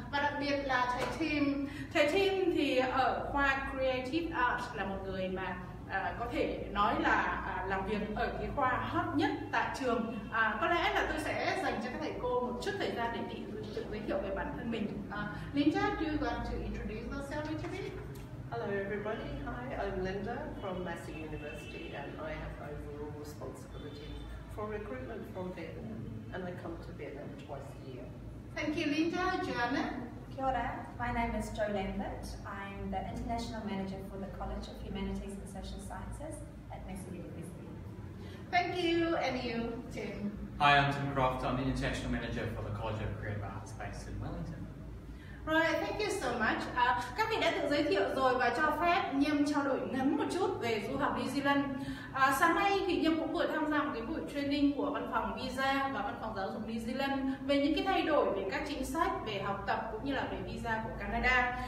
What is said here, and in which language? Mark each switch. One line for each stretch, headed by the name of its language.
Vietnamese: Và đặc biệt là thầy Tim. Thầy Tim thì ở khoa Creative Arts là một người mà có thể nói là làm việc ở cái khoa hot nhất tại trường. Có lẽ là tôi sẽ dành cho các thầy cô một chút thời gian để tự giới thiệu về bản thân mình.
English: Linda, do you want to introduce yourself a little bit? Hello everybody. Hi, I'm Linda from Massey University and I have overall responsibility for recruitment from Vietnam and I come to Vietnam twice a year. Thank you, Linda. Joanna? Kia ora, my name is Jo Lambert. I'm the International Manager for the College of Humanities and Social Sciences at Massey University. Thank you, and you, Tim. Hi, I'm Tim Croft. I'm the International Manager for the College of Creative Arts based in Wellington. Right, thank you so much.
Vietnamese: Các vị đã tự giới thiệu rồi và cho phép Nhâm trao đổi ngắn một chút về du học New Zealand. Sáng nay thì Nhâm cũng vừa tham gia một cái buổi training của văn phòng visa và văn phòng giáo dục New Zealand về những cái thay đổi về các chính sách về học tập cũng như là về visa của Canada.